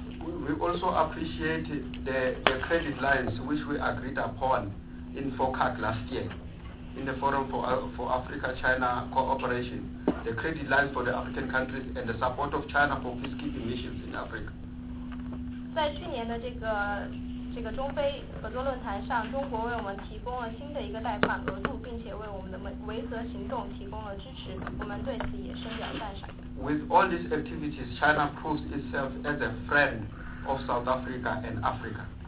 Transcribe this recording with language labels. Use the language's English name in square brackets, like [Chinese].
[English] We also appreciate the credit lines which we agreed upon in FOCAC last year, in the Forum for Africa-China Cooperation. The credit lines for the African countries and the support of China for peacekeeping missions in Africa. [Chinese] 在去年的这个中非合作论坛上，中国为我们提供了新的一个贷款额度，并且为我们的维和行动提供了支持。我们对此也深表赞赏。 [English] With all these activities, China proves itself as a friend of South Africa and Africa.